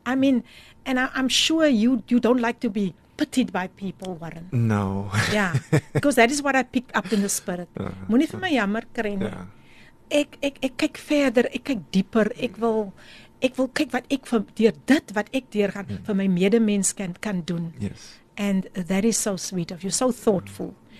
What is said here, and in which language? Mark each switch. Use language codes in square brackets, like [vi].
[en] I mean, and I'm sure you don't like to be pitied by people, Warren. No. Yeah, because that is what I picked up in the spirit. [af] Moet nie vir my jammer kry nie. Ek kyk verder, ek kyk dieper, ek wil kyk wat ek vir deur dit wat ek deur gaan vir my medemens kan doen. [en] Yes. And that is so sweet of you, so thoughtful.